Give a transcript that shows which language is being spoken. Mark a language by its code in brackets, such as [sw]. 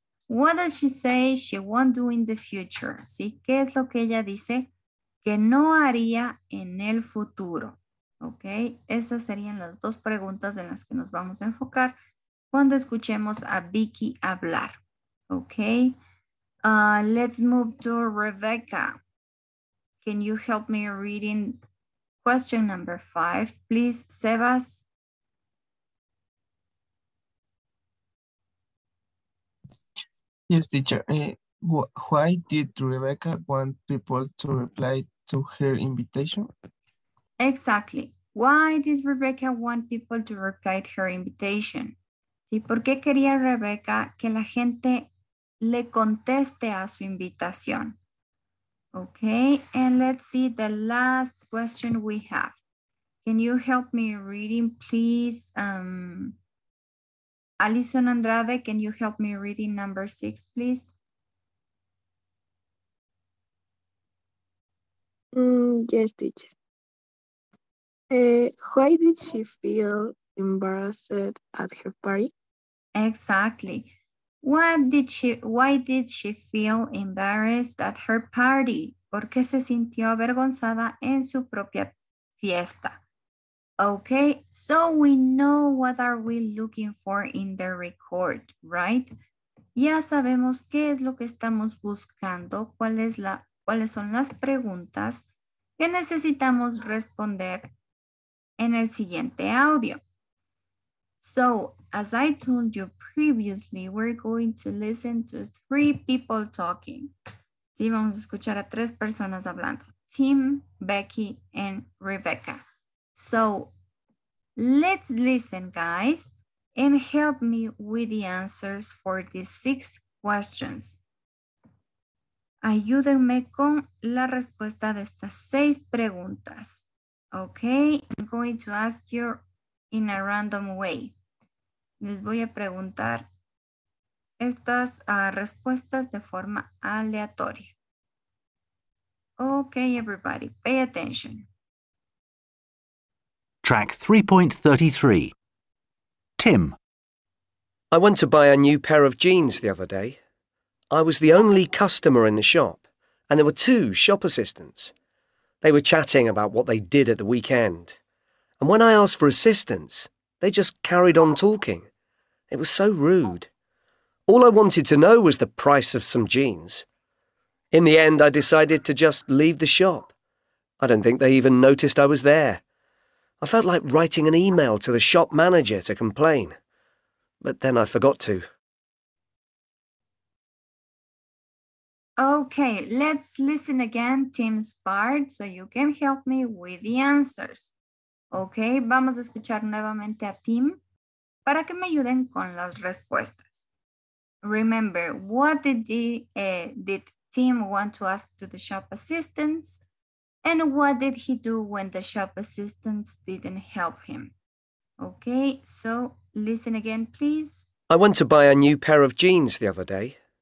[en] What does she say she won't do in the future? [es] ¿Sí? ¿Qué es lo que ella dice que no haría en el futuro? Ok, esas serían las dos preguntas en las que nos vamos a enfocar cuando escuchemos a Vicky hablar. [en] Ok, let's move to Rebecca. Can you help me reading question number five, please, Sebas? Yes, teacher. Why did Rebecca want people to reply to her invitation? Exactly. Why did Rebecca want people to reply to her invitation? [es] ¿Sí? ¿Por qué quería Rebecca que la gente le conteste a su invitación? [en] Okay, and let's see the last question we have. Can you help me reading, please? Alison Andrade, can you help me reading number six, please? Yes, teacher. Why did she feel embarrassed at her party? Exactly. Why did she feel embarrassed at her party? [es] ¿Por qué se sintió avergonzada en su propia fiesta? [en] Okay, so we know what are we looking for in the record, right? [es] Ya sabemos qué es lo que estamos buscando, cuáles son las preguntas que necesitamos responder en el siguiente audio. [en] So, as I told you previously, we're going to listen to three people talking. [es] Sí, vamos a escuchar a tres personas hablando. [en] Tim, Becky, and Rebecca. So, let's listen, guys, and help me with the answers for these six questions. [es] Ayúdenme con la respuesta de estas seis preguntas. [en] Okay, I'm going to ask you in a random way. [es] Les voy a preguntar estas respuestas de forma aleatoria. [en] Okay, everybody, pay attention. Track 3.33. Tim. I went to buy a new pair of jeans the other day. I was the only customer in the shop, and there were two shop assistants. They were chatting about what they did at the weekend. And when I asked for assistance, they just carried on talking. It was so rude. All I wanted to know was the price of some jeans. In the end, I decided to just leave the shop. I don't think they even noticed I was there. I felt like writing an email to the shop manager to complain. But then I forgot to. Okay, let's listen again, Tim's part, so you can help me with the answers. [es] Okay, vamos a escuchar nuevamente a Tim para que me ayuden con las respuestas. [en] Remember, what did Tim want to ask to the shop assistants? And what did he do when the shop assistants didn't help him? Okay, so listen again, please. I went to buy a new pair of jeans the other day.